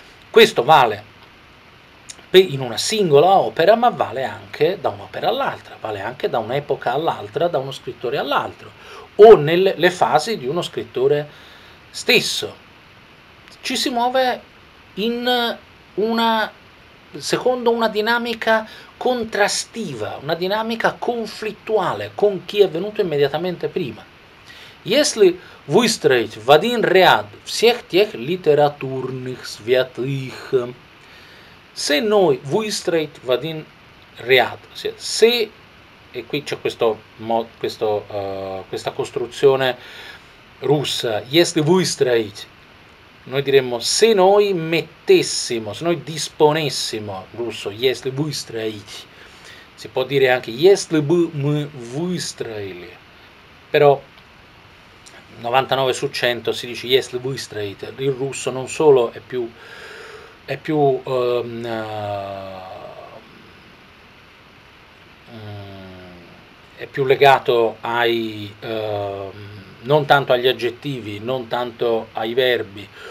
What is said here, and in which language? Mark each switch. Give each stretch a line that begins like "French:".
Italian: Questo vale in una singola opera, ma vale anche da un'opera all'altra, vale anche da un'epoca all'altra, da uno scrittore all'altro, o nelle fasi di uno scrittore stesso. Ci si muove in una, secondo una dinamica contrastiva, una dinamica conflittuale con chi è venuto immediatamente prima.
Russian: Если вы строите в один ряд всех тех литературных святых,
Italian: se noi
Russian: вы строите в один ряд,
Italian: se, e qui c'è questa costruzione russa,
Russian: если вы строите,
Italian: noi diremmo se noi mettessimo, se noi disponessimo, russo, если вы строите, si può dire anche
Russian: если бы мы выстроили,
Italian: però 99 su 100 si dice если вы строите. Il russo non solo è più è più legato ai non tanto agli aggettivi, non tanto ai verbi,